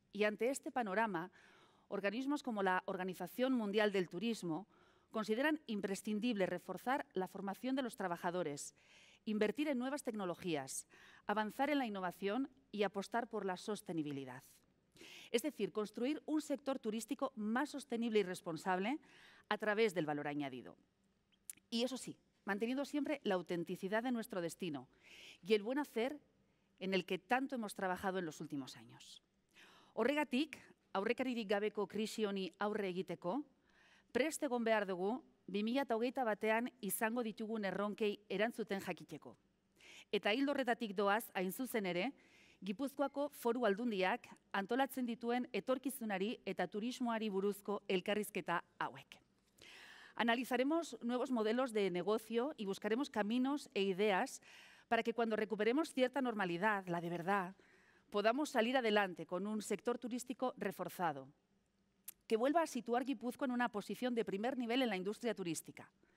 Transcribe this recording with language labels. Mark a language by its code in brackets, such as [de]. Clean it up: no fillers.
[es] Y ante este panorama, organismos como la Organización Mundial del Turismo consideran imprescindible reforzar la formación de los trabajadores, invertir en nuevas tecnologías, avanzar en la innovación y apostar por la sostenibilidad. Es decir, construir un sector turístico más sostenible y responsable a través del valor añadido. Y eso sí, manteniendo siempre la autenticidad de nuestro destino y el buen hacer en el que tanto hemos trabajado en los últimos años. [eu] Horregatik, aurrekaririk gabeko krisi honi aurre egiteko, preste egon behar dugu 2021 batean izango ditugun erronkei erantzuten jakiteko. Eta ildo horretatik doaz, hain zuzen ere, Gipuzkoako foru aldundiak antolatzen dituen etorkizunari eta turismoari buruzko elkarrizketa hauek. [es] Analizaremos nuevos modelos de negocio y buscaremos caminos e ideas para que cuando recuperemos cierta normalidad, la de verdad, podamos salir adelante con un sector turístico reforzado, que vuelva a situar Gipuzkoa en una posición de primer nivel en la industria turística.